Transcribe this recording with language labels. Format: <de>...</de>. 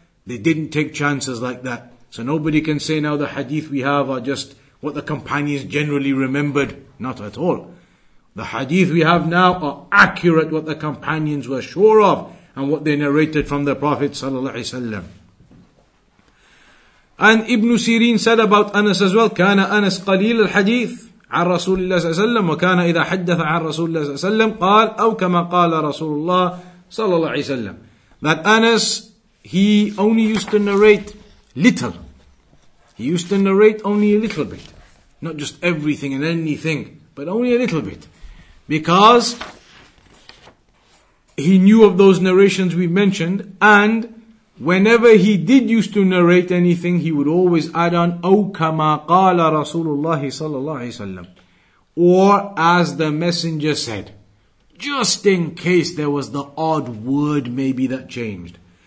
<en>They didn't take chances like that. So nobody can say now the hadith we have are just what the companions generally remembered. Not at all. The hadith we have now are accurate, what the companions were sure of and what they narrated from the Prophet ﷺ. And Ibn Sirin said about Anas as well,</en> <ar>كان أنس قليل الحديث عن رسول الله صلى الله عليه وسلم وكان إذا حدث عن رسول الله صلى الله عليه وسلم قال أو كما قال رسول الله صلى الله عليه وسلم.</ar> <en>That Anas, he only used to narrate little. He used to narrate only a little bit. Not just everything and anything, but only a little bit. Because he knew of those narrations we mentioned, and whenever he did used to narrate anything, he would always add on,</en> <ar>أو كما قال رسول الله صلى الله عليه وسلم,</ar> <en>or as the messenger said, just in case there was the odd word maybe that changed.</en>